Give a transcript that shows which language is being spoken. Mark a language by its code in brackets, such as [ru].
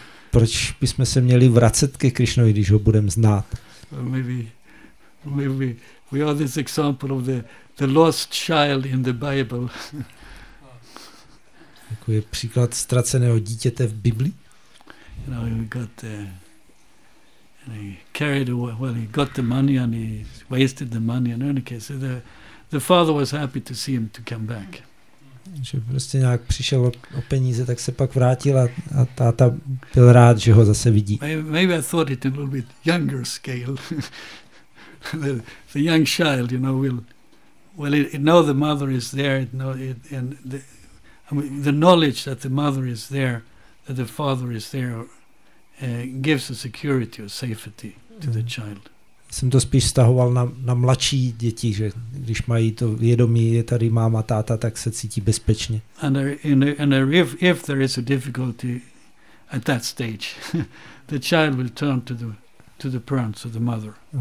[cs] Proč bychom se měli vracet ke Krišnovi, když ho budeme znát? [en] Maybe we are this example of the lost child in the Bible. [cs] Jako je příklad ztraceného dítěte v Biblii? [en] You know, he got the, and he carried away, well, he got the money and he wasted the money. In any case, the father was happy to see him to come back. [cs] Že prostě nějak přišel o peníze, tak se pak vrátil a táta byl rád, že ho zase vidí. [en] Maybe I thought it a little bit younger scale. the young child, you know, will it know the mother is there, the knowledge that the mother is there, that the father is there, gives a security or safety to the child. [cs] Jsem to spíš stahoval na mladší děti, že když mají to vědomí, je tady máma, táta, tak se cítí bezpečně. [en] And if there is a difficulty at that stage, the child will turn to the parents or the mother.